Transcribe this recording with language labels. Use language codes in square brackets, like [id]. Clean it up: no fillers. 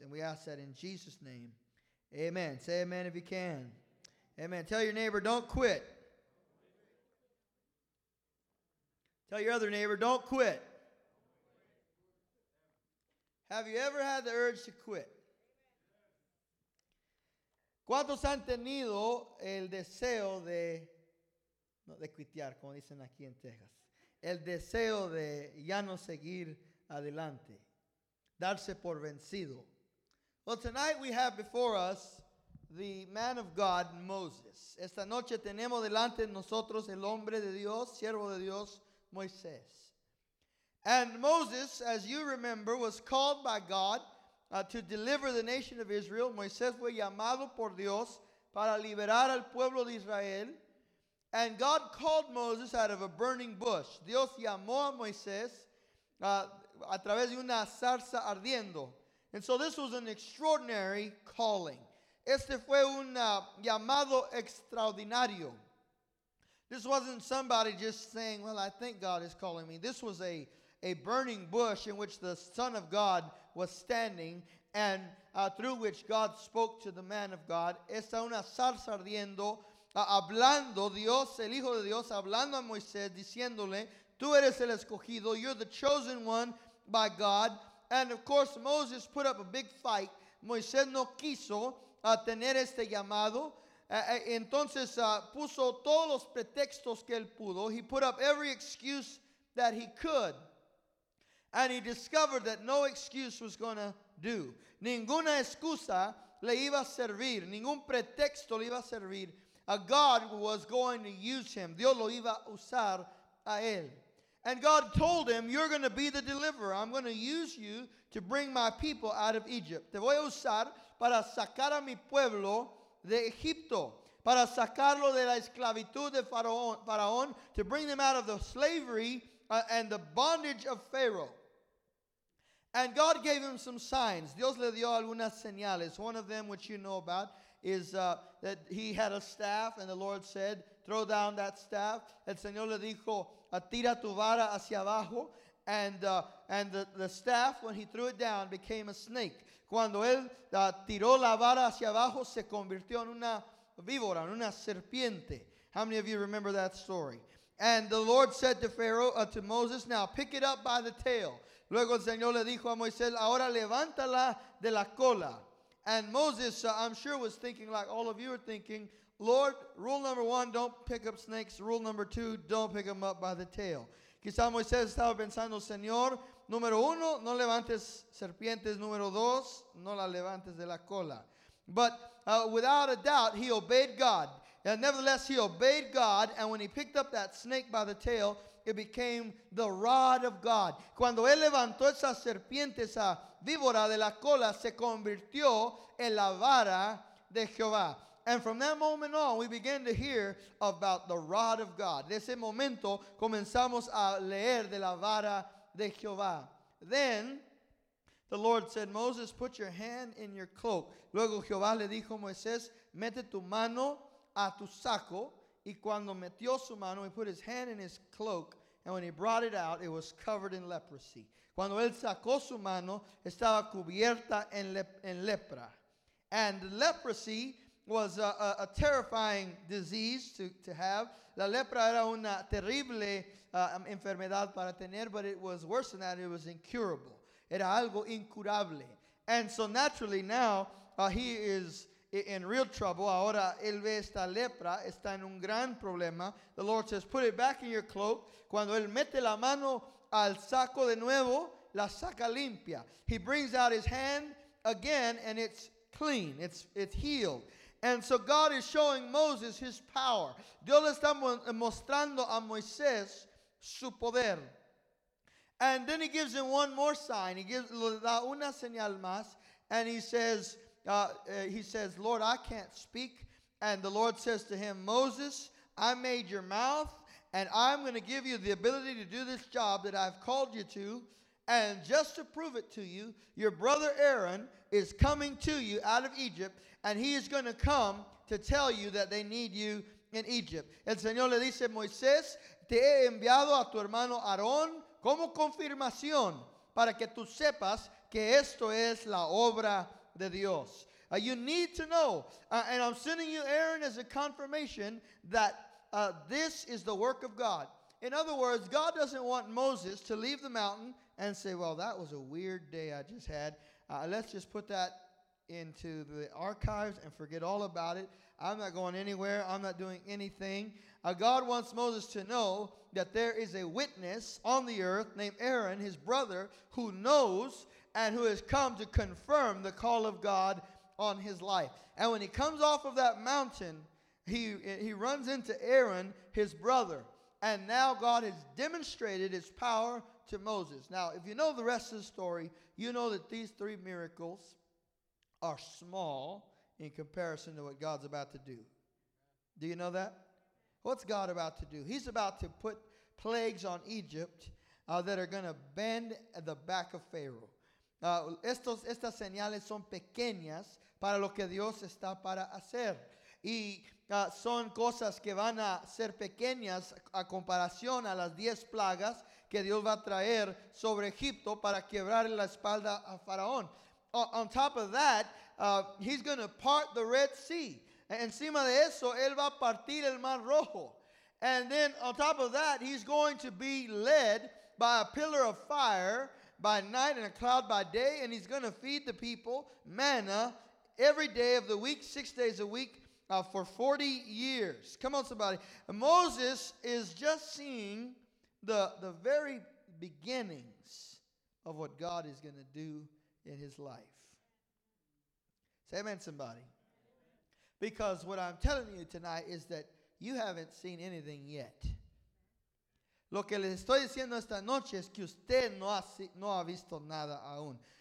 [en] And we ask that in Jesus' name. Amen. Say amen if you can. Amen. Tell your neighbor, don't quit. Tell your other neighbor, don't quit. Have you ever had the urge to quit? [es] ¿Cuántos han tenido el deseo de, no, de quitar, como dicen aquí en Texas, el deseo de ya no seguir adelante, darse por vencido? [en] Well, tonight we have before us the man of God, Moses. [es] Esta noche tenemos delante de nosotros el hombre de Dios, siervo de Dios, Moisés. [en] And Moses, as you remember, was called by God to deliver the nation of Israel. [es] Moisés fue llamado por Dios para liberar al pueblo de Israel. [en] And God called Moses out of a burning bush. [es] Dios llamó a Moisés a través de una zarza ardiendo. [en] And so this was an extraordinary calling. [es] Este fue un llamado extraordinario. [en] This wasn't somebody just saying, well, I think God is calling me. This was a burning bush in which the Son of God was standing and through which God spoke to the man of God. [es] Esta una zarza ardiendo, hablando Dios, el Hijo de Dios, hablando a Moisés, diciéndole, tú eres el escogido, [en] you're the chosen one by God. And of course, Moses put up a big fight. [es] Moisés no quiso tener este llamado. Entonces puso todos los pretextos que él pudo. [en] He put up every excuse that he could. And he discovered that no excuse was going to do. [es] Ninguna excusa le iba a servir. Ningún pretexto le iba a servir. [en] God was going to use him. [es] Dios lo iba a usar a él. [en] And God told him, you're going to be the deliverer. I'm going to use you to bring my people out of Egypt. [es] Te voy a usar para sacar a mi pueblo de Egipto. Para sacarlo de la esclavitud de Faraón. [en] To bring them out of the slavery and the bondage of Pharaoh. And God gave him some signs. [es] Dios le dio algunas señales. [en] One of them, which you know about, is that he had a staff, and the Lord said, throw down that staff. [es] El Señor le dijo, tira tu vara hacia abajo. [en] And the staff, when he threw it down, became a snake. [es] Cuando él tiró la vara hacia abajo, se convirtió en una víbora, en una serpiente. [en] How many of you remember that story? And the Lord said to Pharaoh, to Moses, now pick it up by the tail. [es] Luego el Señor le dijo a Moisés, ahora levántala de la cola. [en] And Moses, I'm sure, was thinking like all of you are thinking, Lord, rule number one, don't pick up snakes. Rule number two, don't pick them up by the tail. [es] Quizá Moisés estaba pensando, Señor, número uno, no levantes serpientes. Número dos, no la levantes de la cola. [en] But without a doubt, he obeyed God. And nevertheless, he obeyed God, and when he picked up that snake by the tail, it became the rod of God. [es] Cuando él levantó esa serpiente, esa víbora de la cola, se convirtió en la vara de Jehová. [en] And from that moment on, we began to hear about the rod of God. [es] De ese momento, comenzamos a leer de la vara de Jehová. [en] Then, the Lord said, Moses, put your hand in your cloak. [es] Luego Jehová le dijo a Moisés, mete tu mano a tu saco. Y cuando metió su mano, [en] he put his hand in his cloak, and when he brought it out, it was covered in leprosy. [es] Cuando él sacó su mano, estaba cubierta en lepra. [en] And leprosy was a terrifying disease to have. [es] La lepra era una terrible enfermedad para tener, [en] but it was worse than that. It was incurable. [es] Era algo incurable. [en] And so naturally now, he is in real trouble. [es] Ahora él ve esta lepra, está en un gran problema. [en] The Lord says, put it back in your cloak. [es] Cuando él mete la mano al saco de nuevo, la saca limpia. [en] He brings out his hand again, and it's clean. It's healed. And so God is showing Moses his power. [es] Dios le está mostrando a Moisés su poder. [en] And then he gives him one more sign. He gives [es] una señal más, [en] and he says, Lord, I can't speak. And the Lord says to him, Moses, I made your mouth, and I'm going to give you the ability to do this job that I've called you to. And just to prove it to you, your brother Aaron is coming to you out of Egypt, and he is going to come to tell you that they need you in Egypt. [es] El Señor le dice, Moisés, te he enviado a tu hermano Aarón como confirmación para que tú sepas que esto es la obra de Dios. [en] You need to know, and I'm sending you Aaron as a confirmation that this is the work of God. In other words, God doesn't want Moses to leave the mountain and say, well, that was a weird day I just had. Let's just put that into the archives and forget all about it. I'm not going anywhere. I'm not doing anything. God wants Moses to know that there is a witness on the earth named Aaron, his brother, who knows and who has come to confirm the call of God on his life. And when he comes off of that mountain, he runs into Aaron, his brother. And now God has demonstrated his power to Moses. Now, if you know the rest of the story, you know that these three miracles are small in comparison to what God's about to do. Do you know that? What's God about to do? He's about to put plagues on Egypt that are going to bend at the back of Pharaoh. [es] Estas señales son pequeñas para lo que Dios está para hacer. Y son cosas que van a ser pequeñas a comparación a las 10 plagas que Dios va a traer sobre Egipto para quebrar la espalda a Faraón. [en] On top of that, he's going to part the Red Sea. [es] Encima de eso, él va a partir el Mar Rojo. [en] And then on top of that, he's going to be led by a pillar of fire by night and a cloud by day. And he's going to feed the people manna every day of the week, 6 days a week, for 40 years. Come on, somebody. Moses is just seeing the very beginnings of what God is going to do in his life. Say amen, somebody. Because what I'm telling you tonight is that you haven't seen anything yet. [es] Lo que les estoy diciendo esta noche es que usted no ha visto nada aún.